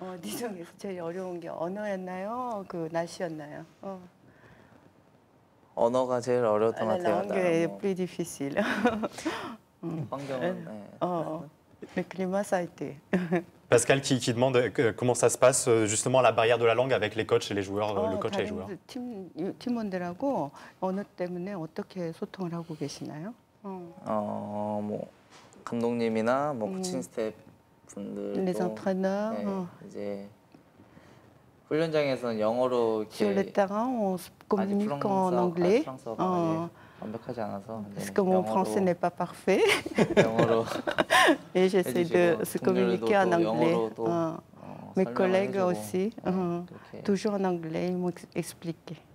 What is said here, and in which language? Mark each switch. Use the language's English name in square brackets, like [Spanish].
[French] Dijon, c'est le plus difficile, la langue ou le climat? La langue est plus difficile. Le climat, ça a été. Pascal qui demande comment ça se passe justement la barrière de la langue avec les coachs et les joueurs, le coach et les joueurs. [Korean] 팀원들하고 언어 때문에 어떻게 소통을 하고 계시나요? 뭐 감독님이나 뭐 코칭 스태프분들 [French] les entraîneurs [Korean] 이제 훈련장에서는 영어로 [French] sur le terrain on se communique en anglais. [Korean] 완벽하지 않아서. [French] Parce que mon français n'est pas parfait. [Korean] 영어로. [French] Et j'essaie de se communiquer en anglais. Mes collègues aussi. Toujours en anglais, ils m'ont expliqué.